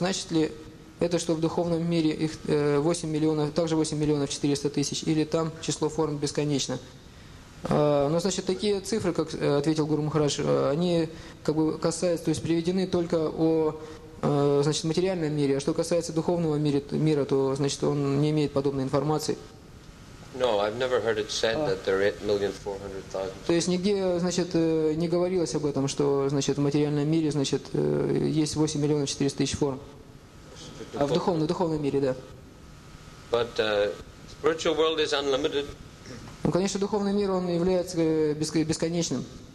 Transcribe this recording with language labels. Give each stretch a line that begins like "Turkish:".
Russian: Значит ли это, что в духовном мире их 8 миллионов, также 8,400,000, или там число форм бесконечно? Но, значит, такие цифры, как ответил Гуру Махарадж, они как бы касаются, то есть приведены только о... значит, в материальном мире, а что касается духовного мира, то, значит, он не имеет подобной информации.
English: No, I've never heard it said that there are 8,400,000.
Russian: То есть нигде, значит, не говорилось об этом, что, значит, в материальном мире, значит, есть 8,400,000 форм. А в духовном мире, да.
English: But spiritual world is unlimited.
Russian: Ну, конечно, духовный мир, он является бесконечным.